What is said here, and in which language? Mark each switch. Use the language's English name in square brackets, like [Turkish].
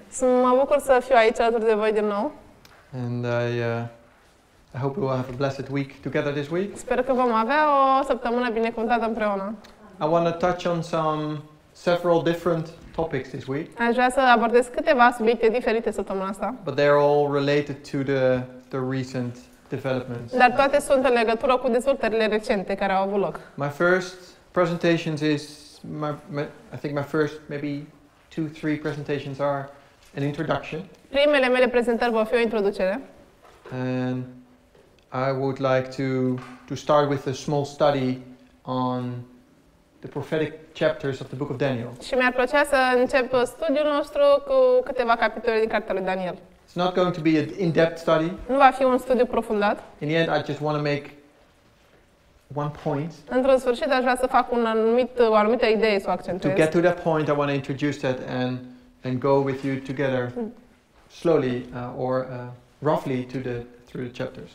[Romanian] Sunt mă bucur să fiu aici alături de voi din nou. [English] And I hope we will have a blessed week together this week. [Romanian] Sper că vom avea o săptămână binecuvântată împreună. [English] I want to touch on several different topics this week. [Romanian] Aș vrea să abordez câteva subiecte diferite săptămâna asta. [English] But they're all related to the recent developments. [Romanian] Dar toate sunt în legătură cu dezvoltările recente care au avut loc. [English] My first presentations is my first maybe 2-3 presentations are an introduction. [Romanian] Primele mele prezentări vor fi o introducere. [English] And I would like to start with a small study on the prophetic chapters of the book of Daniel. [Romanian] Și mi-ar plăcea să încep studiul nostru cu câteva capitole din cartea lui Daniel. [English] It's not going to be an in-depth study. [Romanian] Nu va fi un studiu profundat. [English] In the end, I just want to make one point. [Romanian] Într-un sfârșit, aș vrea să fac o anumită idee sau accentuez. [English] To get to that point, I want to introduce that and go with you together slowly roughly to the through the chapters.